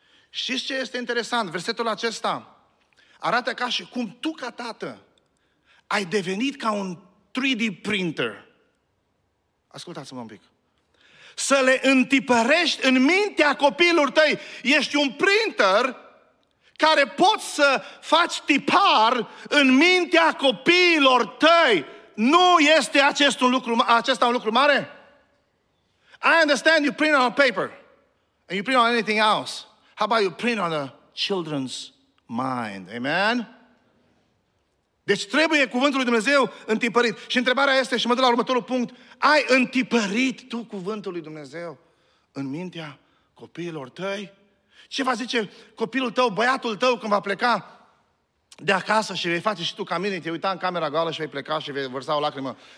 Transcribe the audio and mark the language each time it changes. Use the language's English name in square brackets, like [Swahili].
[Romanian] Știți ce este interesant? Versetul acesta arată ca și cum tu, ca tată, ai devenit ca un 3D printer. Ascultați-mă un pic. Să le întipărești în mintea copiilor tăi. Ești un printer care poți să faci tipar în mintea copiilor tăi. Nu este acesta un lucru mare? [English] I understand you print on paper and you print on anything else. How about you print on a children's mind? Amen? [Romanian] Deci trebuie cuvântul lui Dumnezeu întipărit. Și întrebarea este, și mă duc la următorul punct, ai întipărit tu cuvântul lui Dumnezeu în mintea copiilor tăi? Ce va zice copilul tău, băiatul tău, când va pleca de acasă și vei face și tu ca mine, te uita în camera goală și vei pleca și vei vărsa o lacrimă?